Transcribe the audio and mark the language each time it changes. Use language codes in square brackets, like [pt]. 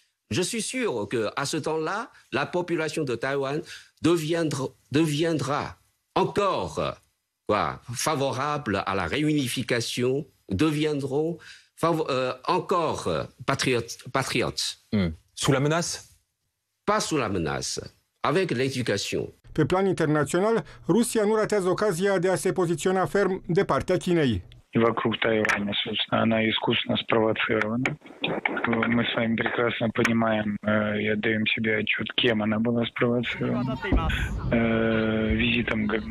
[fr] Je suis sûr que à ce temps-là, la population de Taïwan deviendra encore quoi, favorable à la réunification, deviendront encore patriotes. Sous la menace? Pas sous la menace, avec l'éducation. [ro] Pe plan internațional, Rusia nu ratează ocazia de a se poziționa ferm de partea Chinei. [ru] Вокруг Тайваня, собственно, она искусно спровоцирована. Мы с вами прекрасно понимаем и отдаем себе отчет, кем она была спровоцирована. Визитом